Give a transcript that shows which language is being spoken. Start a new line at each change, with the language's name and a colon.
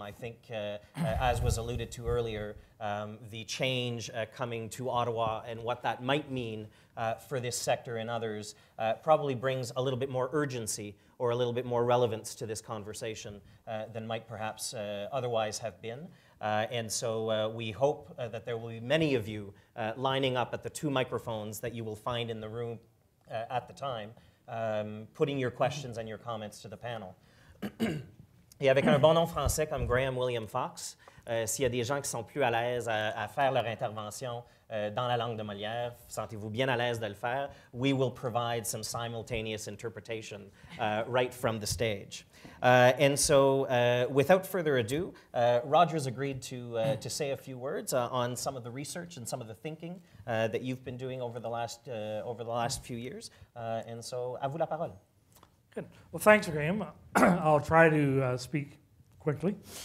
English: I think, as was alluded to earlier, the change coming to Ottawa and what that might mean for this sector and others probably brings a little bit more urgency or a little bit more relevance to this conversation than might perhaps otherwise have been. And so we hope that there will be many of you lining up at the two microphones that you will find in the room at the time, putting your questions and your comments to the panel.
French: Et avec un bon nom français comme Graham William Fox, s'il y a des gens qui sont plus à l'aise à faire leur intervention dans la langue de Molière, sentez-vous bien à l'aise de le faire,
English: we will provide some simultaneous interpretation right from the stage. And so without further ado, Roger's agreed to say a few words on some of the research and some of the thinking that you've been doing over the last few years. And so,
French: à vous la parole.
English: Good. Well, thanks, Graham. I'll try to speak quickly.